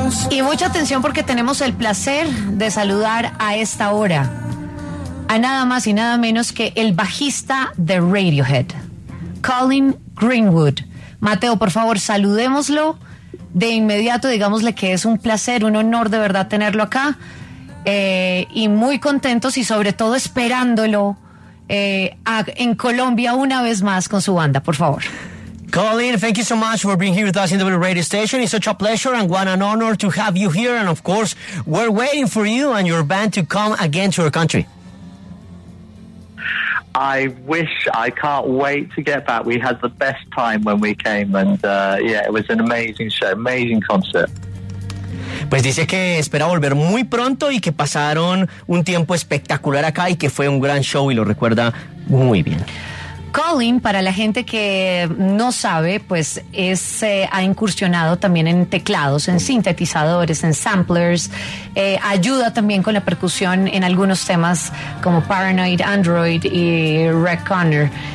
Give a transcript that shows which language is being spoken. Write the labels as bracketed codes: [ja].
[es] Y mucha atención porque tenemos el placer de saludar a esta hora a nada más y nada menos que el bajista de Radiohead, Colin Greenwood. Mateo, por favor, saludémoslo de inmediato, digámosle que es un placer, un honor de verdad tenerlo acá, y muy contentos y sobre todo esperándolo en Colombia una vez más con su banda, por favor. [en] Colin, thank you so much for being here with us in the radio station. It's such a pleasure and what an honor to have you here. And of course, we're waiting for you and your band to come again to our country. I wish, I can't wait to get back. We had the best time when we came and it was an amazing show, amazing concert. [es] Pues dice que espera volver muy pronto y que pasaron un tiempo espectacular acá y que fue un gran show y lo recuerda muy bien. Colin, para la gente que no sabe, pues ha incursionado también en teclados, en sintetizadores, en samplers, ayuda también con la percusión en algunos temas como Paranoid, Android y Red Connor.